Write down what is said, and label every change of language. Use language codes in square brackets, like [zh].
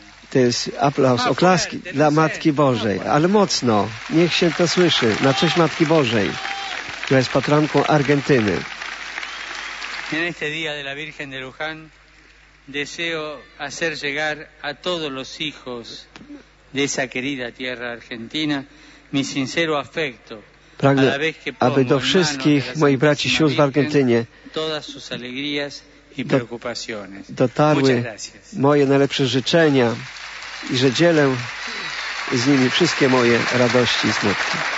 [pl] To jest aplauz, oklaski dla Matki Bożej, ale mocno, niech się to słyszy, na cześć Matki Bożej, która jest patronką Argentyny. [es] En este día de la Virgen de Luján deseo hacer llegar a todos los hijos de esa querida tierra argentina mi sincero afecto. [pl] Pragnę, aby do wszystkich moich braci i sióstr w Argentynie [es] todas sus alegrías y preocupaciones. [pl] Dotarły moje najlepsze życzenia i że dzielę z nimi wszystkie moje radości i smutki.